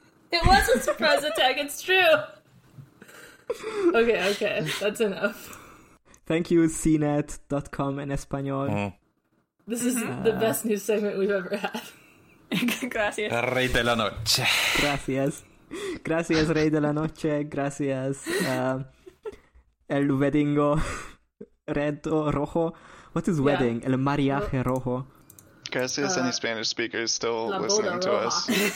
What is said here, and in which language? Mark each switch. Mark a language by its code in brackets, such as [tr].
[en] It was a surprise attack, it's true. Okay, that's enough. Thank you, CNET.com en español. Mm. This is the best news segment we've ever had. [es] Gracias. Rey de la Noche. Gracias, Rey de la Noche. Gracias, el weddingo red o rojo. [en] What is wedding? Yeah. [es] El mariaje rojo. Gracias, [en] any Spanish speakers still listening to us.